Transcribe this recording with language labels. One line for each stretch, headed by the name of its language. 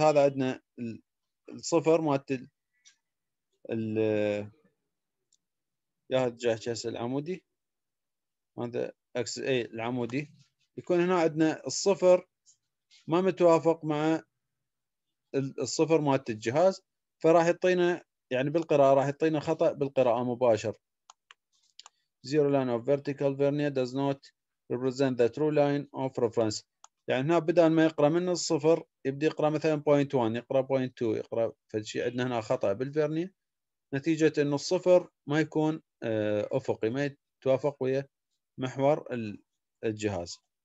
Arabic: هذا عندنا الصفر مال ال يا الجهه العمودي هذا اكس اي العمودي يكون هنا عندنا الصفر ما متوافق مع الصفر مالت الجهاز فراح يعطينا يعني بالقراءه راح يعطينا خطا بالقراءه مباشر.
English: Zero line of vertical vernier does not represent the true line of reference.
Arabic: يعني هنا بدل ما يقرا من الصفر يبدي يقرا مثلا 0.1 يقرا 0.2 يقرا فشي عندنا هنا خطا بالفيرنيه نتيجه انه الصفر ما يكون افقي ما يتوافق ويا محور الجهاز.